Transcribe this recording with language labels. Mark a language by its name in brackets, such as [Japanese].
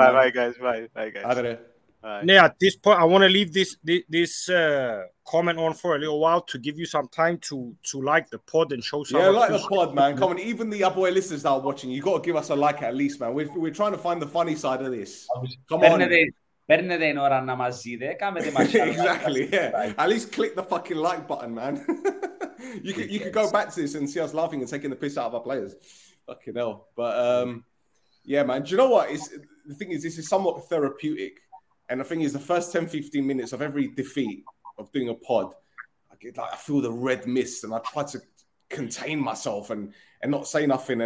[English] Bye, bye, guys. Bye, guys. Now, at this point, I want to leave this comment on for a little while to give you some time to like the pod and show some. Yeah, like the pod, man. Come on, even the Apoel listeners that are watching, you got to give us a like at least, man. We're trying to find the funny side of this. Come on. [Greek] Παίρνετε την ώρα να μας δείτε, κάμετε μας. [English] Exactly, yeah. At least click the fucking like button, man. you can go back to this and see us laughing and taking the piss out of our players. Fucking hell. But, yeah, man. Do you know what? The thing is, this is somewhat therapeutic. And the thing is, the first 10, 15 minutes of every defeat of doing a pod, I feel the red mist and I try to contain myself and not say nothing.